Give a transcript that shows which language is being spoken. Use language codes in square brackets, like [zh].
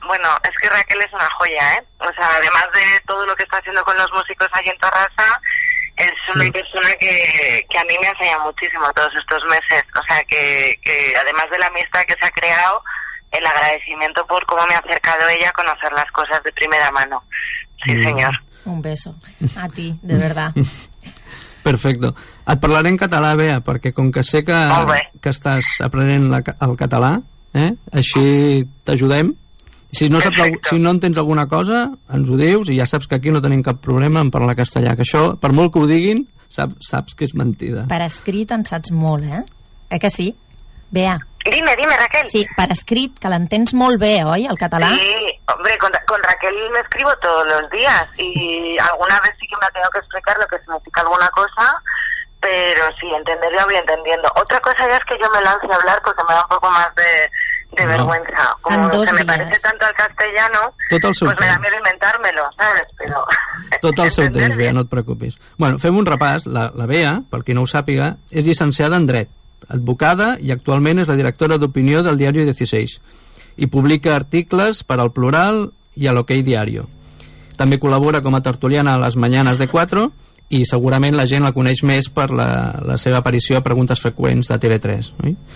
[es] Bueno, es que Raquel es una joya, ¿eh? O sea, además de todo lo que está haciendo con los músicos ahí en Tarrasa, es una persona que a mí me ha enseñado muchísimo todos estos meses. O sea, que además de la amistad que se ha creado, el agradecimiento por cómo me ha acercado ella a conocer las cosas de primera mano. Sí, señor. Un beso a ti, de verdad. Perfecto. [ca] Et parlaré en català, Bea, perquè com que sé que estàs aprenent el català, així t'ajudem. Si no entens alguna cosa, ens ho dius, i ja saps que aquí no tenim cap problema en parlar castellà, que això, per molt que ho diguin, saps que és mentida. Per escrit en saps molt, eh? Que sí? Bea. [es] Dime, Raquel. [ca] Sí, per escrit, que l'entens molt bé, oi, el català? [es] Sí, hombre, con Raquel me escribo todos los días y alguna vez sí que me ha tenido que explicar lo que significa alguna cosa, pero sí, entenderlo voy entendiendo. Otra cosa ya es que yo me lance a hablar porque me da un poco más de no. Vergüenza. Como en dos se me días. Parece tanto al castellano, [ca] tot el [es] pues me da miedo inventármelo, ¿sabes? Pero... [ca] Tot el seu temps, Bea, no et preocupis. Bueno, fem un repàs. La Bea, pel qui no ho sàpiga, és llicenciada en dret, advocada, i actualment és la directora d'opinió del diari 16 i publica articles per al Plural i a l'Okay Diario. També col·labora com a tertuliana a les Mañanas de 4 i segurament la gent la coneix més per la seva aparició a Preguntes Freqüents de TV3, oi?